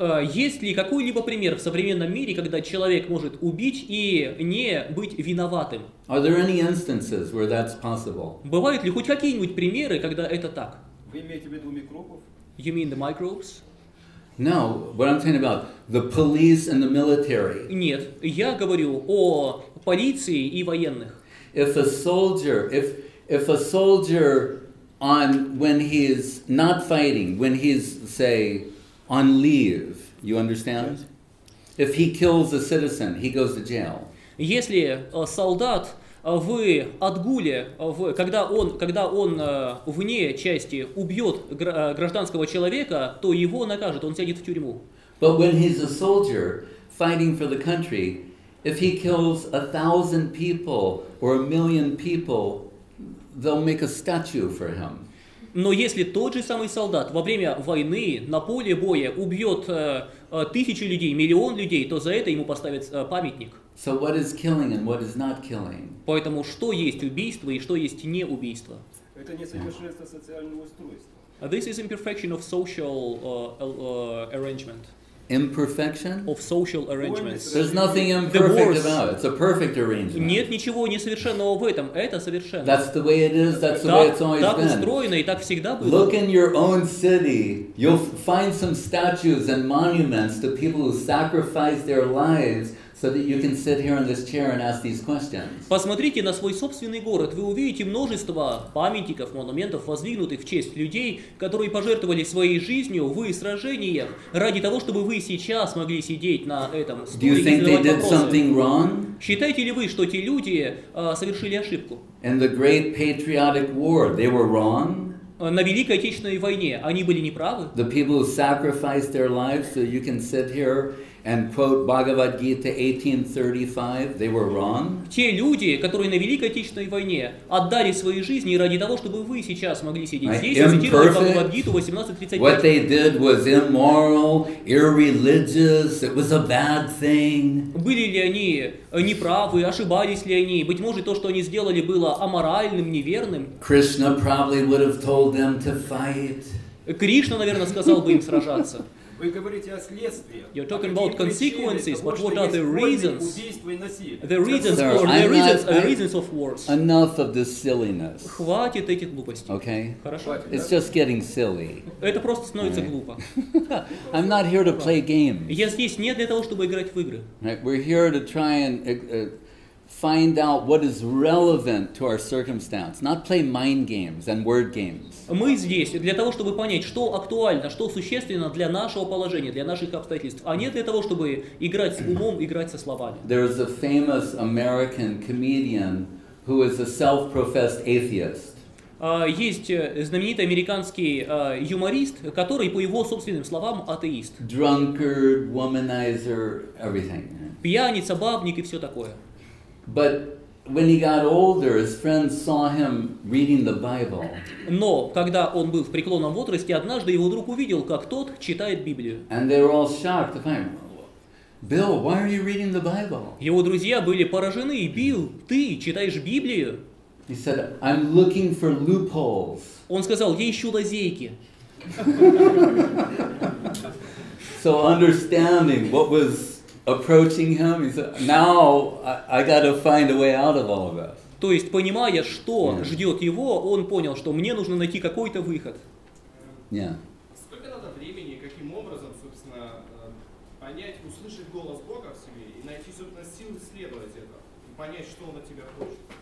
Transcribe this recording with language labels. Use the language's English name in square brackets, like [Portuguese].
[Russian] Есть ли какой-либо пример в современном мире, когда человек может убить и не быть виноватым? [English] Are there any instances where that's possible? [Russian] Бывают ли хоть какие-нибудь примеры, когда это так? Вы имеете в виду микробов? [English] You mean the microbes? No, what I'm talking about the police and the military. [Russian] Нет, я говорю о полиции и военных. [English] If a soldier on when he is not fighting, when he's say on leave, you understand? Yes. If he kills a citizen, he goes to jail. [Russian] Если солдат в отгуле, когда он вне части убьет гражданского человека, то его накажут, он сядет в тюрьму. [English] But when he's a soldier fighting for the country, if he kills 1,000 people or 1,000,000 people, they'll make a statue for him. [Russian] Но если тот же самый солдат во время войны на поле боя убьет тысячу людей, миллион людей, то за это ему поставят памятник. [English] So what is killing and what is not killing? [Russian] Поэтому что есть убийство и что есть не убийство? Это несовершенство социального устройства. [English] This is imperfection of social arrangement. Imperfection of social arrangements. There's nothing imperfect about it. It's a perfect arrangement. [Russian] Нет ничего несовершенного в этом. Это совершенно. [English] That's the way it is. That's the way it's always been. [Russian] Так устроено и так всегда было. [English] Look in your own city. You'll find some statues and monuments to people who sacrificed their lives So that you can sit here in this chair and ask these questions. [Russian] Посмотрите на свой собственный город. Вы увидите множество памятников, монументов, воздвигнутых в честь людей, которые пожертвовали своей жизнью в сражениях ради того, чтобы вы сейчас могли сидеть на этом стуле. [English] Do you think they did something wrong? [Russian] Считаете ли вы, что те люди совершили ошибку? [English] In the Great Patriotic War, they were wrong. [Russian] На Великой Отечественной войне они были неправы. [English] The people who sacrificed their lives so you can sit here and quote Bhagavad Gita 1835, they were wrong. [Russian] Те люди, которые на Великой Отечественной войне отдали свои жизни ради того, чтобы вы сейчас могли сидеть здесь и цитировать Бхагавад Гиту 1835. [English] What they did was immoral, irreligious, it was a bad thing. [Russian] Были ли они неправы, ошибались ли они? Быть может, то, что они сделали, было аморальным, неверным. [English] Krishna probably would have told them to fight. [Russian] Кришна, наверное, сказал бы им сражаться. Вы говорите о следствиях. [English] You're talking about consequences, but what are the reasons? The reasons or the reasons, the reasons of wars. Enough of this silliness. [Russian] Хватит этих глупостей. [English] Okay. [Russian] Хорошо. [English] It's just getting silly. [Russian] Это просто становится глупо. [English] I'm not here to play games. [Russian] Я здесь не для того, чтобы играть в игры. [English] We're here to try and find out what is relevant to our circumstance, not play mind games and word games. [Russian] Мы здесь для того, чтобы понять, что актуально, что существенно для нашего положения, для наших обстоятельств, а не для того, чтобы играть с умом, играть со словами. [English] There is a famous American comedian who is a self-professed atheist. [Russian] Есть знаменитый американский юморист, который, по его собственным словам, атеист. [English] Drunkard, womanizer, everything. [Russian] Пьяница, бабник и все такое. [English] But when he got older, his friends saw him reading the Bible. [Russian] Но когда он был в преклонном возрасте, однажды его друг увидел, как тот читает Библию. [English] And they were all shocked to find, Bill, why are you reading the Bible? [Russian] Его друзья были поражены. Билл, ты читаешь Библию? [English] He said, I'm looking for loopholes. [Russian] Он сказал, я ищу лазейки. [English] So understanding what was approaching him, he said, "Now I got to find a way out of all of this." [Russian] То есть понимая, что ждет его, он понял, что мне нужно найти какой-то выход. Сколько надо времени, каким образом, собственно, понять, услышать голос Бога в себе и найти собственно силы следовать этому и понять, что он от тебя хочет?